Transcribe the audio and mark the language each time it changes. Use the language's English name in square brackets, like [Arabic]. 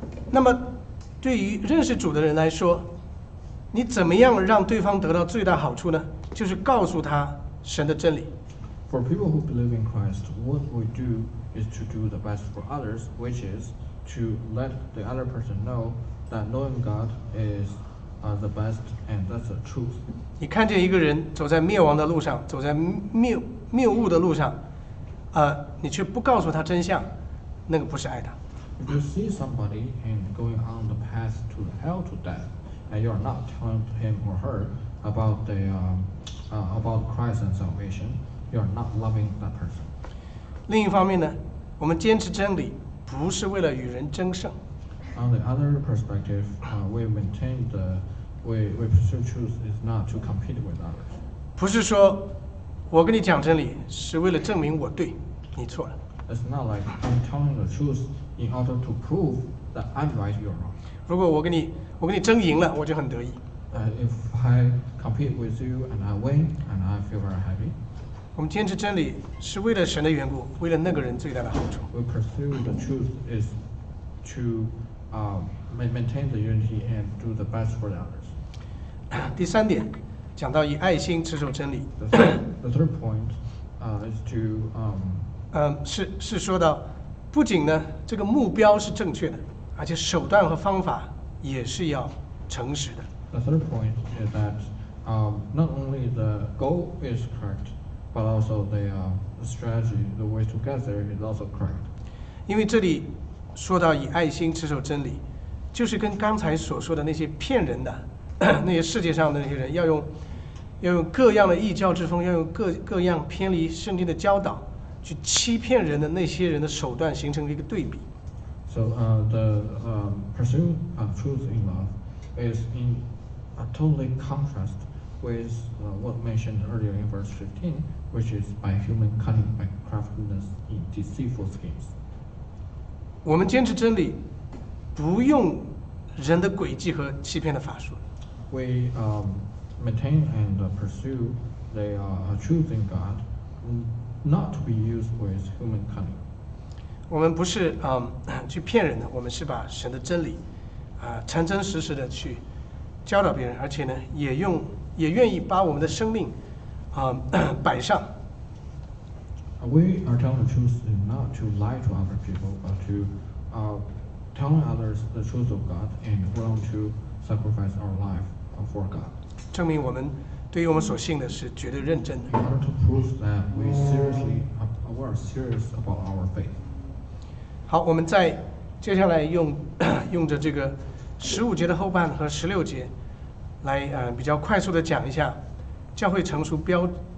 [Chinese] 那么，对于认识主的人来说，你怎么样让对方得到最大好处呢？就是告诉他神的真理。 [English] For people who believe in Christ, what we do is to do the best for others, which is to let the other person know that knowing God is the best and that's the truth. [Chinese] 你看见一个人走在灭亡的路上，走在谬误的路上，你却不告诉他真相，那个不是爱他。 [English] If you see somebody and going on the path to hell to death, and you are not telling him or her about the about Christ and salvation. You are not loving that person. [Chinese] 另一方面呢，我们坚持真理，不是为了与人争胜。 [English] On the other perspective, we maintain the way we pursue truth is not to compete with others. [Chinese] 不是说我跟你讲真理是为了证明我对，你错了。 [English] It's not like I'm telling the truth in order to prove that I'm right, you're wrong. [Chinese] 如果我跟你争赢了，我就很得意。 [English] If I compete with you and I win, and I feel very happy. [Chinese] 我们坚持真理是为了神的缘故，为了那个人最大的好处。 [English] We pursue the truth is to maintain the unity and do the best for the others. [Chinese] 第三点，讲到以爱心持守真理。 [English] The third point is to [Chinese] 是说到，不仅呢这个目标是正确的，而且手段和方法也是要诚实的。 [English] The third point is that not only the goal is correct, but also the strategy, the way to get there is also correct. [Chinese] 因为这里说到以爱心持守真理，就是跟刚才所说的那些骗人的那些世界上的那些人，要用各样的异教之风，要用各样偏离圣经的教导去欺骗人的那些人的手段形成一个对比。 [English] So pursuit of truth in love is in a totally contrast with what mentioned earlier in verse 15, which is by human cunning, by craftiness in deceitful schemes. [Chinese] 我们坚持真理，不用人的诡计和欺骗的法术。 [English] We maintain and pursue the truth in God, not to be used with human cunning. [Chinese] 我们不是去骗人的，我们是把神的真理真真实实的去教导别人，而且呢也愿意把我们的生命摆上。 [English] We are telling the truth not to lie to other people, but to tell others the truth of God and willing to sacrifice our life for God. [Chinese] 证明我们对于我们所信的是绝对认真的。 [English] In order to prove that we are serious about our faith. [Chinese] 好，我们再接下来用着这个十五节的后半和十六节来比较快速的讲一下教会成熟标准。